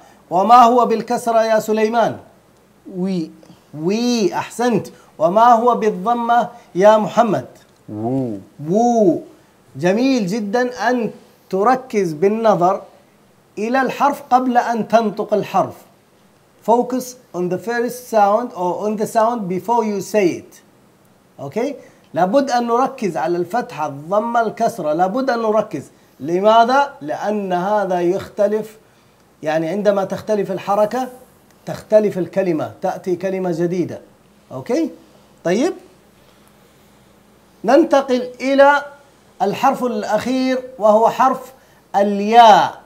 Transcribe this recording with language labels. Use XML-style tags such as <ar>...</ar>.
<ar>وما هو بالكسرة يا سليمان؟ وي. وي. أحسنت. وما هو بالضمة يا محمد؟ وو. وو. جميل جدا أن تركز بالنظر إلى الحرف قبل أن تنطق الحرف.</ar> <en>Focus on the first sound or on the sound before you say it.</en> <ar>Okay؟ لابد أن نركز على الفتحة الضمة الكسرة. لابد أن نركز. لماذا؟ لأن هذا يختلف. يعني عندما تختلف الحركة تختلف الكلمة. تأتي كلمة جديدة. أوكي؟ طيب ننتقل إلى الحرف الأخير وهو حرف الياء.</ar>